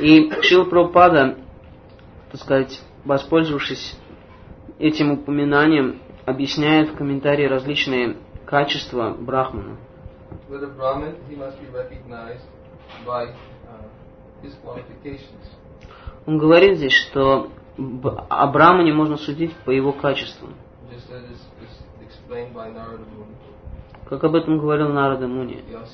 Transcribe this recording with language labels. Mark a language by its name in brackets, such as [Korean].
[Russian] И Шрила Прабхупада, так сказать, воспользовавшись этим упоминанием, объясняет в комментарии различные качества брахмана. [English] With a Brahman, he must be recognized by his qualifications. [Russian] Он говорит здесь, что о брахмане можно судить по его качествам. [English] Just as is explained by Narada Muni. [Russian] Как об этом говорил Нарада Муни.